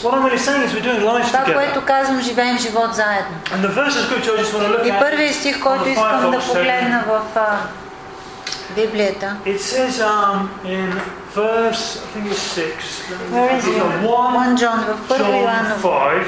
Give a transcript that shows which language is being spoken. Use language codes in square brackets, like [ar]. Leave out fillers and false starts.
[bg] Това, което казвам, живеем живот заедно. И първият стих, който искам да погледна в Библията. [en] It says in verse, I think it's 6. One John, [bg] в Първо Йоаново.